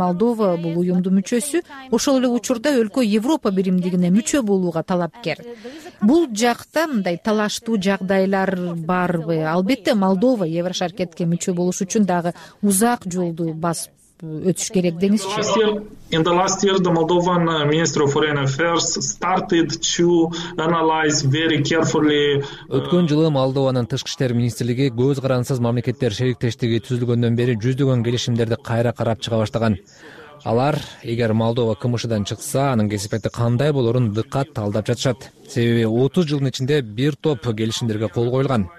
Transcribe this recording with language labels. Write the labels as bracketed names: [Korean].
[Kyrgyz] Молдова бул уюмдун мүчөсү. Ошол эле учурда өлкө Европа биримдигине мүчө болууга талапкер. Бул жакта мындай талаштуу жагдайлар барбы? Албетте, Молдова Еврошаркетке мүчө болуш үчүн дагы узак жолду басып өтүш керек деңизчи. [English] In the last year, the Moldovan Ministry of Foreign Affairs started to analyze very carefully. [Kyrgyz] Өткөн жылы Молдованын тышкы иштер министрлиги көз карандысыз мамлекеттер шериктештиги түзүлгөндөн бери жүздөгөн келишимдерди кайра карап чыга баштаган. Алар эгер Молдова КМШ-дан чыкса, анын кесепети кандай болорун дыкат талдап жатышат. Себеби 30 жылдын ичинде бир топ келишимдерге кол коюлган.